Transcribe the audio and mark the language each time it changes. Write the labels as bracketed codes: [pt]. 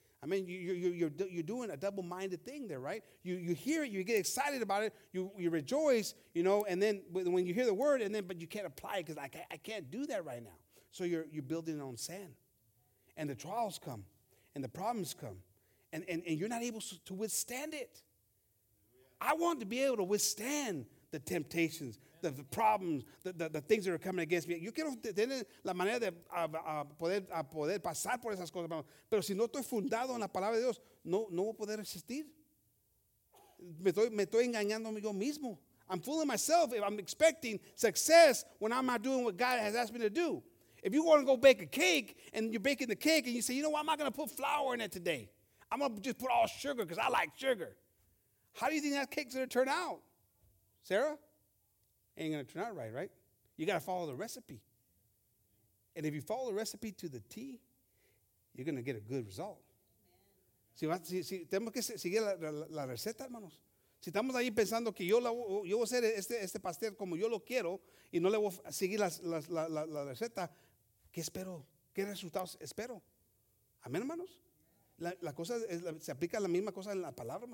[en] I mean, you're doing a double-minded thing there, right? You hear it, you get excited about it, you rejoice, you know, and then when you hear the word, but you can't apply it because I can't do that right now. So you're building on sand. And the trials come, and the problems come, and you're not able to withstand it. I want to be able to withstand the temptations, the problems, the things that are coming against me. [es] Yo quiero tener la manera de poder pasar por esas cosas. Pero si no estoy fundado en la palabra de Dios, no voy a poder resistir. Me estoy engañando yo mismo. [en] I'm fooling myself if I'm expecting success when I'm not doing what God has asked me to do. If you want to go bake a cake and you're baking the cake and you say, you know what, I'm not going to put flour in it today. I'm going to just put all sugar because I like sugar. How do you think that cake's going to turn out? Sarah? Ain't going to turn out right, right? You got to follow the recipe. And if you follow the recipe to the T, you're going to get a good result. [es] Si tenemos que seguir la receta, hermanos. Si estamos ahí pensando que yo voy a hacer este pastel como yo lo quiero y no le voy a seguir la receta, ¿qué espero? ¿Qué resultados espero? ¿Amén, hermanos? La cosa es, se aplica la misma cosa en la palabra.